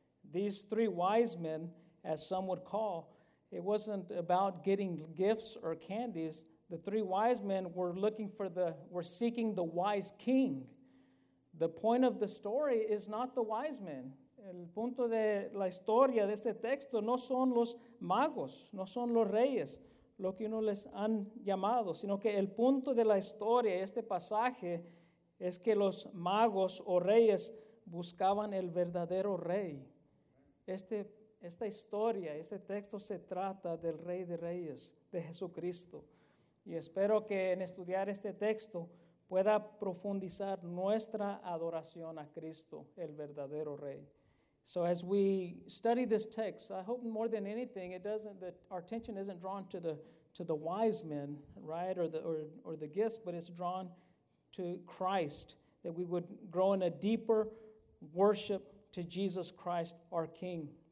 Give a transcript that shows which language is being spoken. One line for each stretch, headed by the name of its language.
English: These three wise men, as some would call, it wasn't about getting gifts or candies. The three wise men were seeking the wise king. The point of the story is not the wise men.
Spanish: El punto de la historia de este texto no son los magos, no son los reyes, lo que uno les han llamado, sino que el punto de la historia, este pasaje, es que los magos o reyes buscaban el verdadero rey. Esta historia, este texto se trata del Rey de Reyes, de Jesucristo. Y espero que en estudiar este texto pueda profundizar nuestra adoración a Cristo, el verdadero Rey.
English: So as we study this text, I hope more than anything, our attention isn't drawn to the wise men, right, or the gifts, but it's drawn to Christ, that we would grow in a deeper worship to Jesus Christ, our King.